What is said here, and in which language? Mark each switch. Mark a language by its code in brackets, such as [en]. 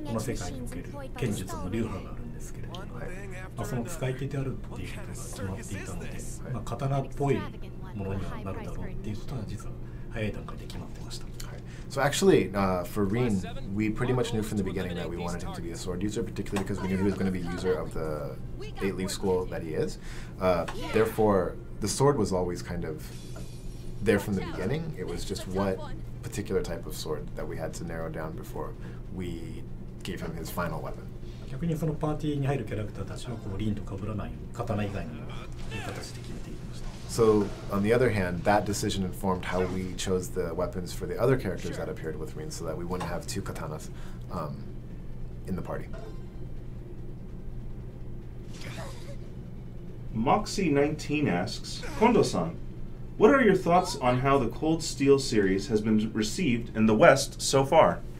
[ja] この世界における剣術の流派があるんですけれども、はい、まあ、その使い手であるっていうことが決まっていたので、はい、まあ、刀っぽいものにはなるだろうっていうことは実は早い段階で決まってました。 [en] So actually, for Rin, we pretty much knew from the beginning that we wanted him to be a sword user, particularly because we knew he was going to be a user of the eight-leaf school that he is. Therefore, the sword was always kind of there from the beginning. It was just what particular type of sword that we had to narrow down before we gave him his final weapon. [ja] 逆にそのパーティーに入るキャラクターたちはこうリンと被らない刀以外のという形で決めていました。 [en] So, on the other hand, that decision informed how we chose the weapons for the other characters that appeared with Rin so that we wouldn't have two katanas in the party. Moxie19 asks, Kondo-san, what are your thoughts on how the Cold Steel series has been received in the West so far?